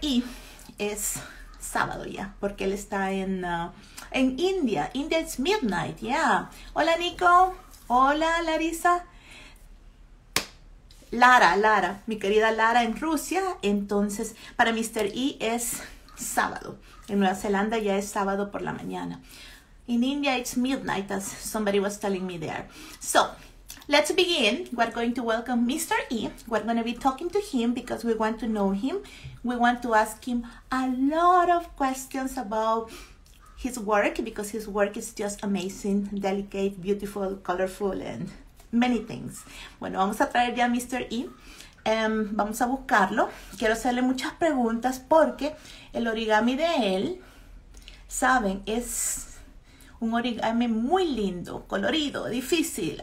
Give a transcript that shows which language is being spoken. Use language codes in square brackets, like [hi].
[es] E es sábado ya, porque él está en India. [en] India it's midnight, yeah. [es] Hola Nico, hola Larisa. Lara, mi querida Lara en Rusia. Entonces, para Mr. E es sábado. En Nueva Zelanda ya es sábado por la mañana. [en] In India, it's midnight, as somebody was telling me there. So, let's begin. We're going to welcome Mr. E. We're going to be talking to him because we want to know him. We want to ask him a lot of questions about his work because his work is just amazing, delicate, beautiful, colorful, and many things. [es] Bueno, vamos a traer ya a Mr. E. Vamos a buscarlo. Quiero hacerle muchas preguntas porque el origami de él, saben, es un origami muy lindo, colorido, difícil.